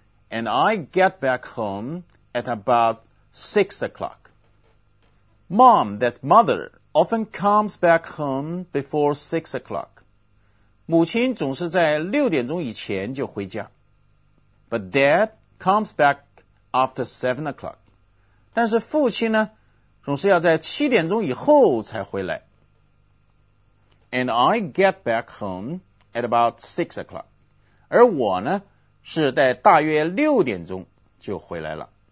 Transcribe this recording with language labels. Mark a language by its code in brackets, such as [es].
[en] And I get back home at about 6 o'clock. Mom, that's mother,often comes back home before 6 o'clock. [zh] 母亲总是在6点钟以前就回家。 [en] But dad comes back after 7 o'clock. [zh] 但是父亲呢总是要在7点钟以后才回来。 [en] And I get back home at about 6 o'clock. [zh] 而我呢是在大约6点钟就回来了。